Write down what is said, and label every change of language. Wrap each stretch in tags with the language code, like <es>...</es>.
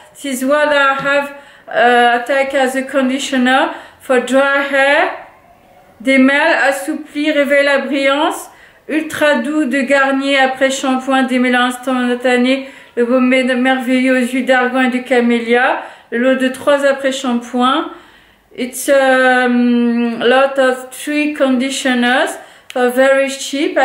<en>This is what I have attacked as a conditioner for dry hair.</en> <fr>Des mêles assouplis, réveille la brillance. Ultra doux de Garnier après shampoing, démêlant instantané. Le baume merveilleux aux huiles d'argan et de camélia. Le lot de 3 après shampoing.</fr> <en>It's a lot of 3 conditioners for very cheap.</en>